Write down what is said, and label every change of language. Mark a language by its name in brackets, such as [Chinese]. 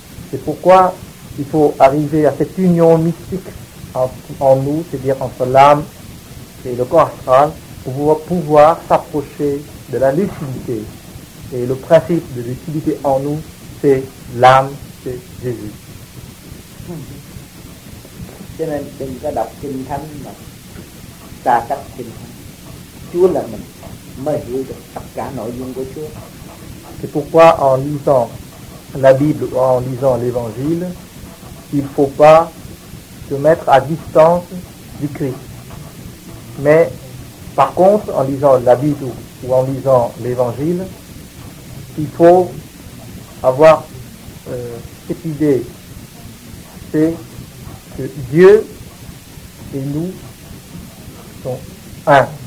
[French] C'est pourquoi il faut arriver à cette union mystique en nous, c'est-à-dire entre l'âme et le corps astral, pour pouvoir s'approcher de la lucidité. Et le principe de l'utilité en nous, c'est l'âme, c'est Jésus. [Vietnamese] Cho nên đừng có đọc Kinh Thánh mà ta cắt Kinh Thánh. Chúa là mình mới hiểu được tất cả nội dung của Chúa. [French] C'est pourquoi en lisant la Bible ou en lisant l'Évangile, il ne faut pas se mettre à distance du Christ. Mais par contre, en lisant la Bible ou en lisant l'Évangile, il faut avoir cette idée, c'est que Dieu et nous sont un.